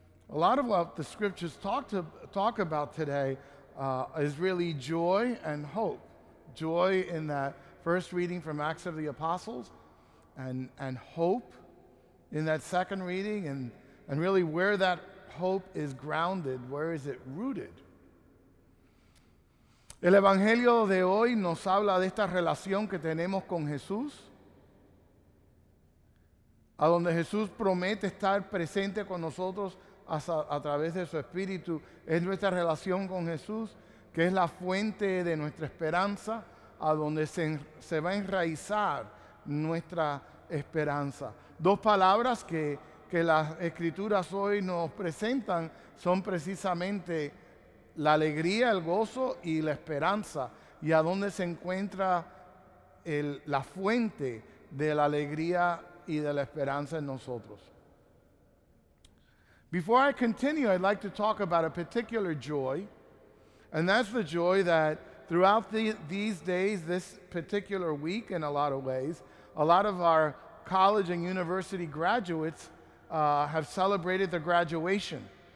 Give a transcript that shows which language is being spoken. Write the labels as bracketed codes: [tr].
[en] A lot of what the scriptures talk about today is really joy and hope. Joy in that first reading from Acts of the Apostles, and hope in that second reading, and really where that hope is grounded, where is it rooted. [es] El Evangelio de hoy nos habla de esta relación que tenemos con Jesús, a donde Jesús promete estar presente con nosotros a través de su Espíritu. Es nuestra relación con Jesús, que es la fuente de nuestra esperanza, a donde se va a enraizar nuestra esperanza. Dos palabras que las Escrituras hoy nos presentan son precisamente la alegría, el gozo y la esperanza, y a donde se encuentra la fuente de la alegría y de la esperanza en nosotros. [en] Before I continue, I'd like to talk about a particular joy, and that's the joy that throughout these days, this particular week, in a lot of ways, a lot of our college and university graduates have celebrated their graduation.